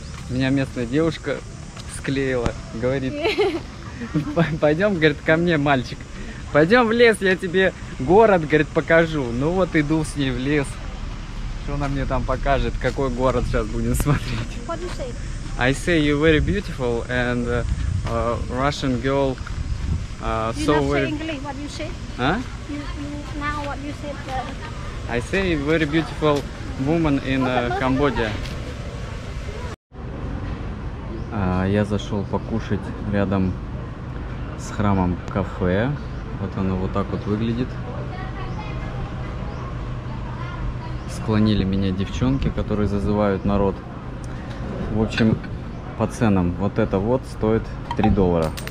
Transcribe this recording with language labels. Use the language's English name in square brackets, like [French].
[Russian] Меня местная девушка склеила, говорит, пойдем, говорит, ко мне, мальчик, пойдем в лес, я тебе город, говорит, покажу. Ну вот иду с ней в лес, что она мне там покажет, какой город сейчас будем смотреть. [English] What do you say? I say you're very beautiful and Russian girl so very... You're not saying English, what do you say? А? Now what you say? I say you're very beautiful woman in Cambodia. [Russian] Я зашел покушать рядом с храмом кафе. Вот оно вот так вот выглядит. Склонили меня девчонки, которые зазывают народ. В общем, по ценам. Вот это вот стоит $3.